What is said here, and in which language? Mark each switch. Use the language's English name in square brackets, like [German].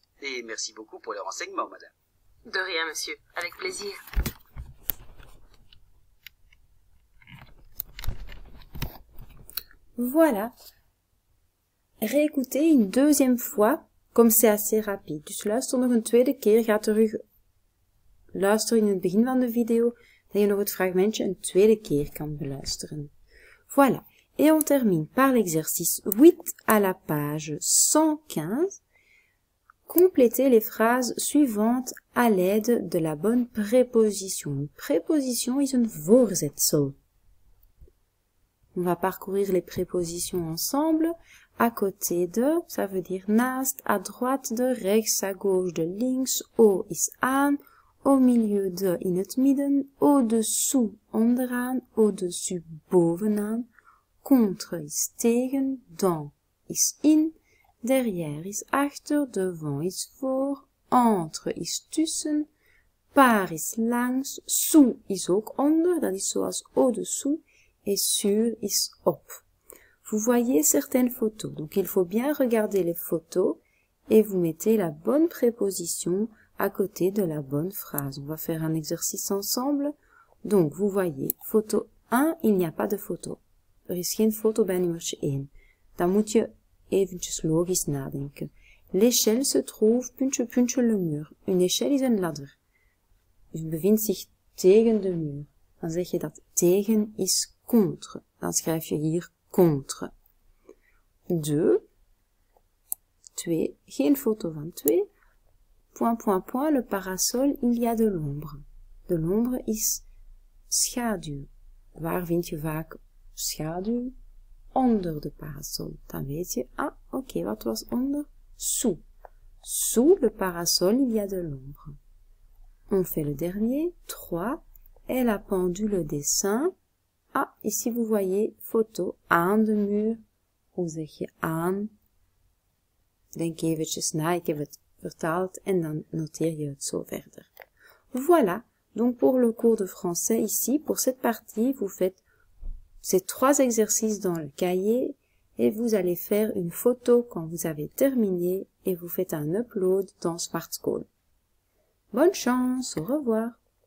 [French] Et merci beaucoup pour les renseignements, madame. De rien, monsieur. Avec plaisir. Voilà. Réécoutez une deuxième fois, comme c'est assez rapide. [Dutch] Dus luister nog een tweede keer. Ga terug luisteren in het begin van de video, dat je nog het fragmentje een tweede keer kan beluisteren. [French] Voilà. Et on termine par l'exercice 8 à la page 115. Complétez les phrases suivantes à l'aide de la bonne préposition. Une préposition [Dutch] is een voorzetsel. [French] On va parcourir les prépositions ensemble. À côté de, ça veut dire naast, à droite de, rechts, à gauche de, links, haut is aan, au milieu de, in het midden, au-dessous, onderaan, au-dessus, bovenaan, contre is tegen, dans is in, derrière is achter, devant is voor, entre is tussen, par is langs, sous is ook onder, [Dutch] dat is zoals [French] au-dessous, et sur is op. Vous voyez certaines photos, donc il faut bien regarder les photos et vous mettez la bonne préposition à côté de la bonne phrase. On va faire un exercice ensemble. Donc, vous voyez, photo 1, il n'y a pas de photo. [Dutch] Er is geen foto bij nummer 1. Dan moet je eventjes logisch nadenken. [French] L'échelle se trouve [Dutch] puntje puntje [French] le mur. Une échelle [Dutch] is een ladder. Je bevindt zich tegen de muur. Dan zeg je dat tegen is contre. Dan schrijf je hier contre. 2. 2. Geen foto van 2. [French] Point, point, point. Le parasol, il y a de l'ombre. De l'ombre [Dutch] is schaduw. Waar vind je vaak schaduw? Onder de parasol. Dan weet je, ah, ok, wat was onder? Sous. [French] Sous le parasol, il y a de l'ombre. On fait le dernier. 3. Elle a pendu le dessin. Ah, ici vous voyez photo [Dutch] aan de muur. Hoe zeg je aan? Denk eventjes na, ik heb het vertaald en dan noteer je het zo verder. [French] Voilà, donc pour le cours de français ici, pour cette partie, vous faites ces 3 exercices dans le cahier et vous allez faire une photo quand vous avez terminé et vous faites un upload dans SmartSchool. Bonne chance, au revoir!